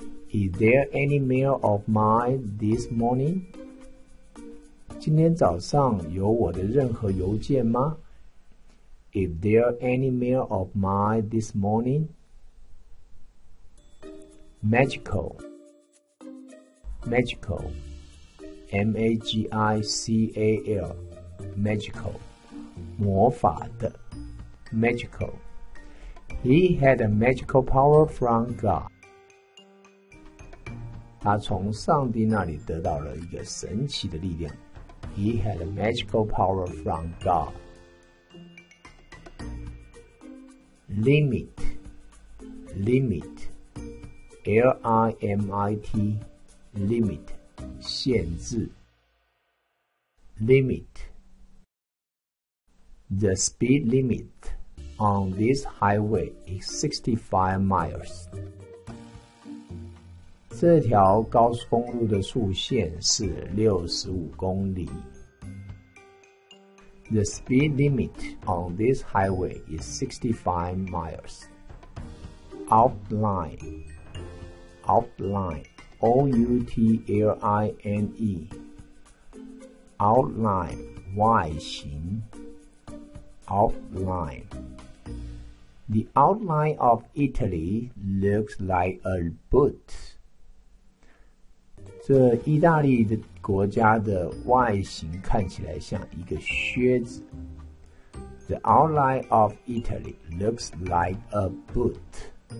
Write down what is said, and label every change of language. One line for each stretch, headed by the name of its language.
English: Is there any mail of mine this morning?
Chinese: 今天早上有我的任何邮件吗?
English: Is there any mail of mine this morning? Magical. M-A-G-I-C-A-L. Magical. 魔法的 Magical. He had a magical power from God.
Chinese: 他从上帝那里得到了一个神奇的力量。
English: He had a magical power from God. Limit, limit, L-I-M-I-T, limit, 限制。Limit. The speed limit on this highway is 65 miles.
Chinese: 这条高速公路的速限是65公里。
English: The speed limit on this highway is 65 miles. Outline. Outline. O-U-T-L-I-N-E. Outline, 外形 Outline The outline of Italy looks like a boot.
Chinese: 这意大利的国家的外形看起来像一个靴子。
English: The outline of Italy looks like a boot.